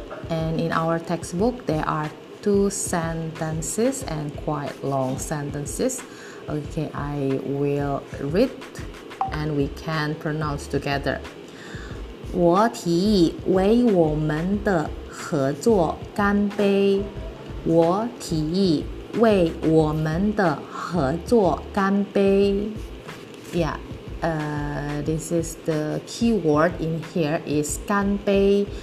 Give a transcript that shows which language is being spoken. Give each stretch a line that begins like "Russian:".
English: And in our textbook, there are two sentences and quite long sentences. Okay, I will read and we can pronounce together.
Chinese: 我提议为我们的合作干杯。我提议为我们的合作干杯。
English: Yeah, this is the key word in here is 干杯。